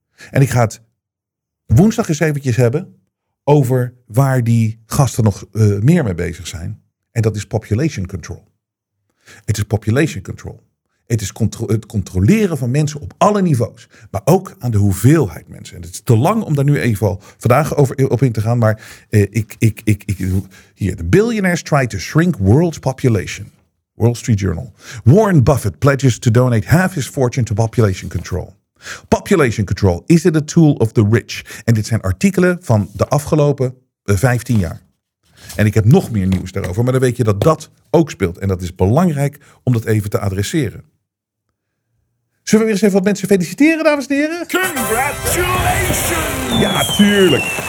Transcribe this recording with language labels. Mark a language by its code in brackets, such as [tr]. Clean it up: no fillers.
[nl] En ik ga het woensdag eens eventjes hebben over waar die gasten nog meer mee bezig zijn. En dat is population control. Het is population control. Het is het controleren van mensen op alle niveaus. Maar ook aan de hoeveelheid mensen. En het is te lang om daar nu even al vandaag over op in te gaan. Maar hier, [en] the billionaires try to shrink world's population. Wall Street Journal. Warren Buffett pledges to donate half his fortune to population control. Population control, is it a tool of the rich? [nl] En dit zijn artikelen van de afgelopen 15 jaar. En ik heb nog meer nieuws daarover, maar dan weet je dat dat ook speelt. En dat is belangrijk om dat even te adresseren. Zullen we weer eens even wat mensen feliciteren, dames en heren? [en] Congratulations! [nl] Ja, tuurlijk!